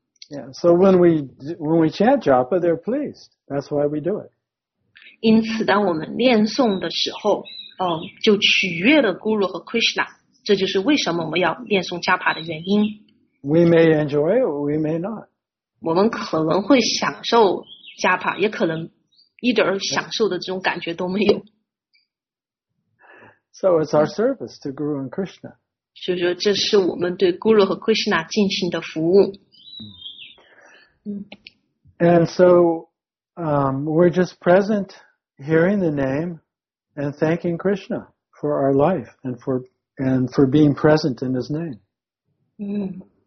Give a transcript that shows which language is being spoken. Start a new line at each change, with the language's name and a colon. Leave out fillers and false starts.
English: Yeah, so when we chant Japa, they're pleased. That's why we do it.
Chinese: 因此当我们念诵的时候就取悦了 Guru 和 Krishna, 这就是为什么我们要念诵 Japa 的原因。
English: We may enjoy it, or we may not.
Chinese: 我们可能会享受 Japa, 也可能一点享受的这种感觉都没有。
English: So it's our service to Guru and Krishna.
Chinese: 所以说这是我们对 Guru 和 Krishna 进行的服务。
English: And so, we're just present hearing the name and thanking Krishna for our life and for being present in his name.